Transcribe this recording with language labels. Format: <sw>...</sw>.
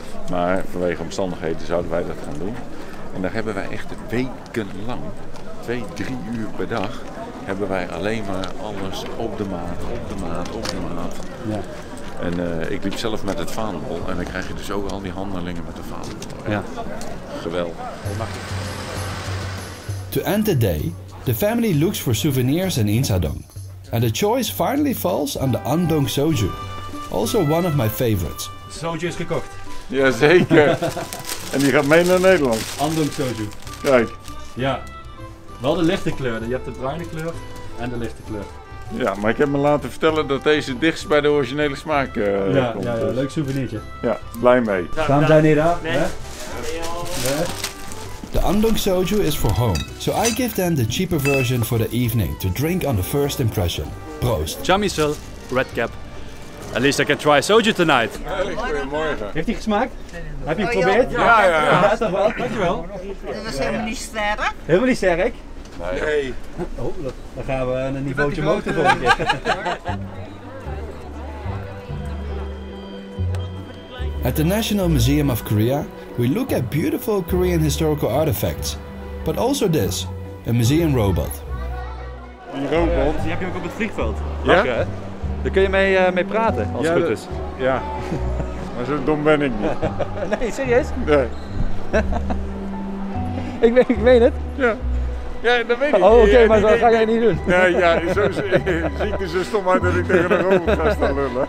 <nl>Maar vanwege omstandigheden zouden wij dat gaan doen. En daar hebben wij echt wekenlang, 2-3 uur per dag, hebben wij alleen maar alles op de maat, op de maat, op de maat. Ja. En ik liep zelf met het vaandel en dan krijg je dus ook al die handelingen met de vaandel. Ja. Geweldig.</nl> <en>To end the day, the family looks for souvenirs in Insadong. And the choice finally falls on the Andong soju, also one of my favorites.</en> <nl>Soju is gekocht. Jazeker. En die gaat mee naar Nederland. Andong soju. Kijk. Ja. Wel de lichte kleur. Je hebt de bruine kleur en de lichte kleur. Ja, maar ik heb me laten vertellen dat deze dichtst bij de originele smaak komt. Ja, ja, ja, leuk souvenirtje. Ja, blij mee. Samdaan hier aan.</nl> <en>The Andong soju is for home, so I give them the cheaper version for the evening to drink on the first impression.</en> <de>Prost!</de> <en>Jamisul, Red Cap. At least I can try soju tonight.</en> <nl>Goedemorgen. Heeft hij gesmaakt? Heb je geprobeerd? Ja. Ja. Dankjewel. Dat was helemaal niet sterk. Helemaal niet sterk? Nee. Oh, dan gaan we een niveautje omhoog de volgende keer.</nl> <en>At the National Museum of Korea, we look at beautiful Korean historical artifacts, but also this, a museum robot.</en> <nl>Die robot? Die heb je ook op het vliegveld. Ja? Daar kun je mee praten, als het goed is. Ja, maar zo dom ben ik niet. Nee, serieus? Nee. ik weet het. Ja. Ja, dat weet ik. Oh, oké, maar dat ga jij niet doen. Nee, ja, zo zie ik er zo stom uit dat ik tegen een robot ga staan lullen.</nl>